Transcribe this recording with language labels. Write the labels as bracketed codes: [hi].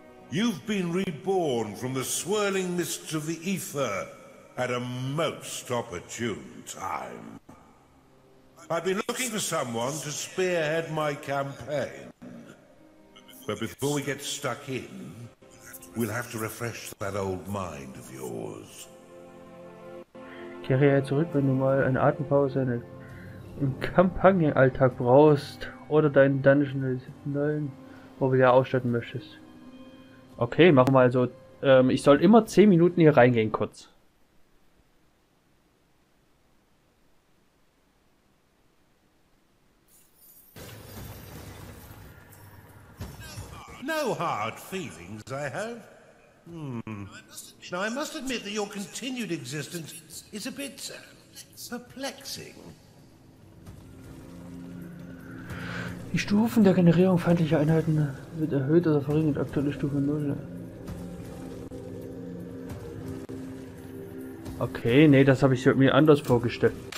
[en] You've been reborn from the swirling mists of the ether at a most opportune time. I've been looking for someone to spearhead my campaign. But before we get stuck in, we'll have to refresh that old mind of yours. [de] Kehre zurück, wenn du mal eine Atempause in den Kampagnenalltag brauchst oder deinen Dungeon neuen, wo du ja ausstatten möchtest. Okay, machen wir mal so. Ich soll immer 10 Minuten hier reingehen, kurz. [en] No hard feelings, I hope. Now I must admit that your continued existence is a bit perplexing. [de] Die Stufen der Generierung feindlicher Einheiten wird erhöht oder verringert. Aktuelle Stufe 0. Okay, nee, das habe ich mir anders vorgestellt.